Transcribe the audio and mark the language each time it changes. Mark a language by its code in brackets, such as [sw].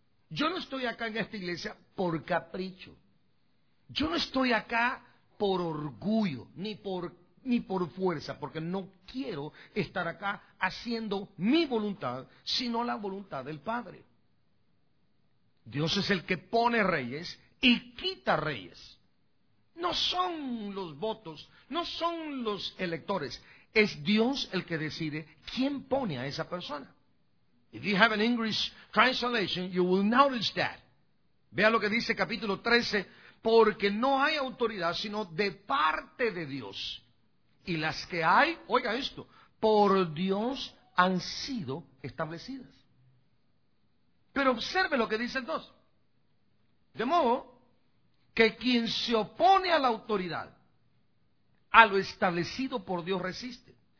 [es] Yo no estoy acá en esta iglesia por capricho. Yo no estoy acá por orgullo, ni por fuerza, porque no quiero estar acá haciendo mi voluntad, sino la voluntad del Padre. Dios es el que pone reyes y quita reyes. No son los votos, no son los electores. Es Dios el que decide quién pone a esa persona. [en] If you have an English translation, you will notice that. [es] Vea lo que dice capítulo 13, porque no hay autoridad sino de parte de Dios. Y las que hay, oiga esto, por Dios han sido establecidas. Pero observe lo que dice el 2. De modo que quien se opone a la autoridad, a lo establecido por Dios resiste.